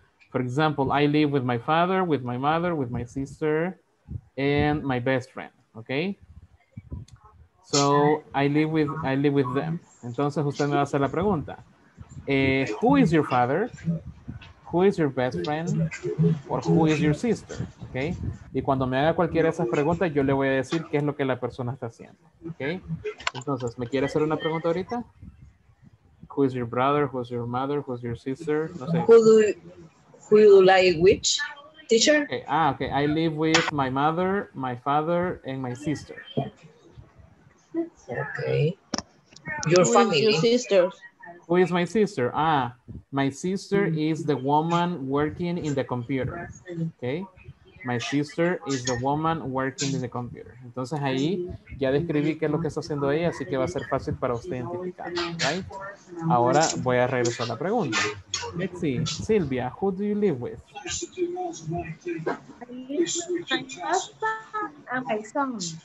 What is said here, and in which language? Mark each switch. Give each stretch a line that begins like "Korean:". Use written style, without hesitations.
English: For example, I live with my father, with my mother, with my sister, and my best friend, okay? So, I live with them.
Spanish: Entonces, usted me va a hacer la pregunta.
English: Who is your father? Who is your best friend? Or who is your sister? Okay?
Spanish: Y cuando me haga cualquiera de esas preguntas, yo le voy a decir qué es lo que la persona está haciendo, okay? Entonces, ¿me quiere hacer una pregunta ahorita?
English: Who is your brother? Who is your mother? Who is your sister?
Spanish: No sé.
English: Who you like which, teacher? Okay. I live with my mother, my father, and my sister. Okay. Your Who family. Is your sister? Who is my sister? My sister is the woman working in the computer. Okay. My sister is the woman working in the computer.
Spanish: Entonces ahí ya describí qué es lo que está haciendo ella, así que va a ser fácil para usted identificar, right? Ahora voy a regresar a la pregunta.
English: Let's see, Silvia, who do you live with? I live with my husband and my son.